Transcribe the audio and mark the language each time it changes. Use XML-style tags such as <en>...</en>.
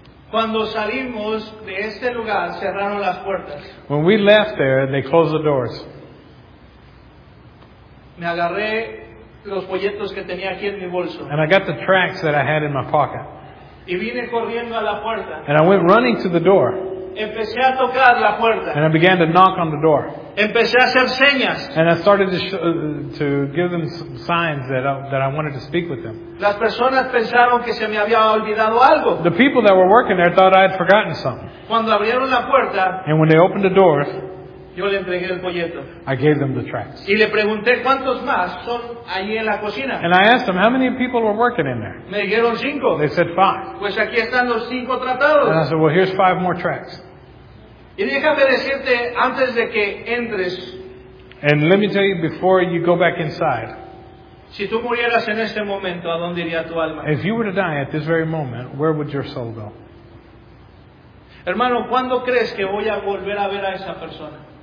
<es>Cuando salimos de este lugar, cerraron las puertas.</es> <en>When we left there, they closed the doors.</en> <es>Me agarré los folletos que tenía aquí en mi bolso.</es> <en>And I got the tracts that I had in my pocket.</en> <es>Y vine corriendo a la puerta.</es> <en>And I went running to the door.</en> <es>Empecé a tocar la puerta.</es> <en>And I began to knock on the door.</en> <es>Empecé a hacer señas.</es> <en>And I started to give them some signs that I wanted to speak with them.</en> <es>Las personas pensaron que se me había olvidado algo.</es> <en>The people that were working there thought I had forgotten something.</en> <es>Cuando abrieron la puerta,</es> <en>and when they opened the doors,</en> <es>yo le entregué el folleto.</es> <en>I gave them the tracts.</en> <es>Y le pregunté cuántos más son allí en la cocina.</es> <en>And I asked them how many people were working in there.</en> <es>Me dijeron cinco.</es> <en>They said five.</en> <es>Pues aquí están los cinco tratados.</es> <en>And I said, well, here's five more tracts.</en> <es>Y déjame decirte antes de que entres.</es> <en>And let me tell you before you go back inside.</en> <es>Si tú murieras en este momento, ¿a dónde iría tu alma?</es> <en>If you were to die at this very moment, where would your soul go?</en> <es>Hermano, ¿cuándo crees que voy a volver a ver a esa persona?</es>